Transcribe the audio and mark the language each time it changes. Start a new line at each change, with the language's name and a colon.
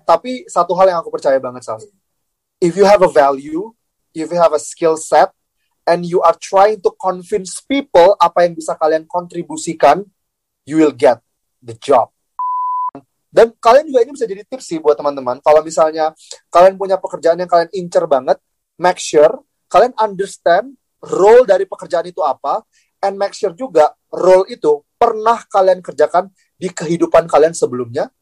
Indonesian: Tapi satu hal yang aku percaya banget, Sal.
English: If you have a value, if you have a skill set, and you are trying to convince people
Indonesian: apa yang bisa kalian kontribusikan,
English: you will get the job.
Indonesian: Dan kalian juga ini bisa jadi tips sih buat teman-teman. Kalau misalnya kalian punya pekerjaan yang kalian incer banget,
English: make sure
Indonesian: kalian understand role dari pekerjaan itu apa, and make sure juga role itu pernah kalian kerjakan di kehidupan kalian sebelumnya.